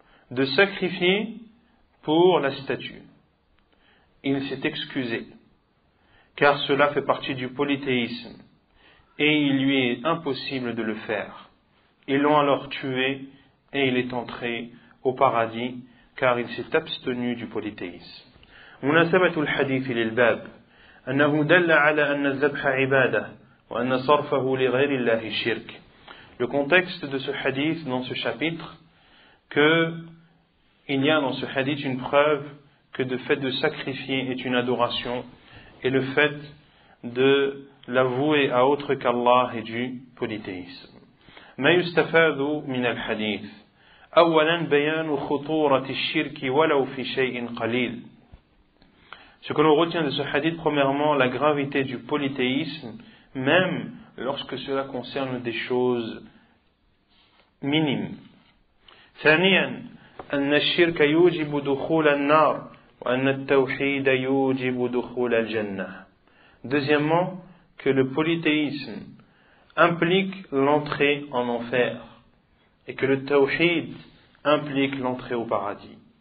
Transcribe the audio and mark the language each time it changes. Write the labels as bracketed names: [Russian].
[French] de sacrifier pour la statue. Il s'est excusé, car cela fait partie du polythéisme, et il lui est impossible de le faire. Ils l'ont alors tué, et il est entré au paradis, car il s'est abstenu du polythéisme. [Arabic] مناسبة الحديث للباب أنه دل على أن الذبح عبادة وأن صرفه لغير الله شرك. [French] Le contexte de ce hadith dans ce chapitre, que il y a dans ce hadith une preuve que le fait de sacrifier est une adoration et le fait de l'avouer à autre qu'Allah est du polythéisme. [Arabic] ما يستفاد من الحديث أولا بيان خطورة الشرك ولو في شيء قليل. [French] Ce que l'on retient de ce hadith, premièrement, la gravité du polythéisme, même lorsque cela concerne des choses minimes. [Arabic] ثانياً أن الشرك يوجب دخول النار وأن التوحيد يوجب دخول الجنة. [French] Deuxièmement, que le polythéisme implique l'entrée en enfer et que le tawhid implique l'entrée au paradis.